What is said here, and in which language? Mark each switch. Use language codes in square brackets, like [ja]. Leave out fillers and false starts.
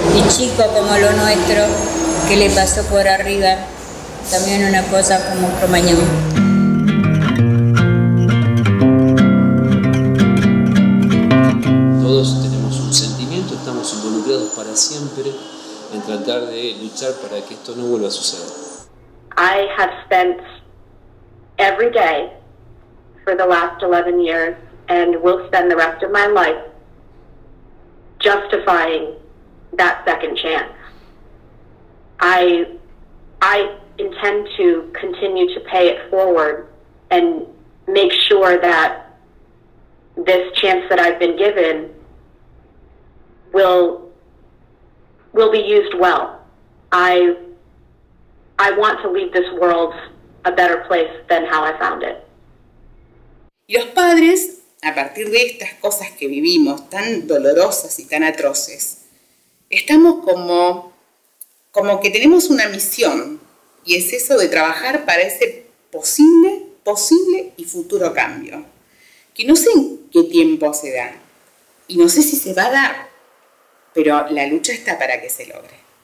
[es] Y chico como lo nuestro, que le pasó por arriba, también una cosa como Cromañón. Todos tenemos un sentimiento, estamos involucrados para siempre en tratar de luchar para que esto no vuelva a suceder. [en] I have spent every day for the last 11 years and will spend the rest of my life justifying that second chance. I intend to continue to pay it forward and make sure that this chance that I've been given will be used well. I want to leave this world a better place than how I found it. [es] Y los padres, a partir de estas cosas que vivimos, tan dolorosas y tan atroces, estamos como que tenemos una misión, y es eso de trabajar para ese posible y futuro cambio, que no sé en qué tiempo se da, y no sé si se va a dar, pero la lucha está para que se logre.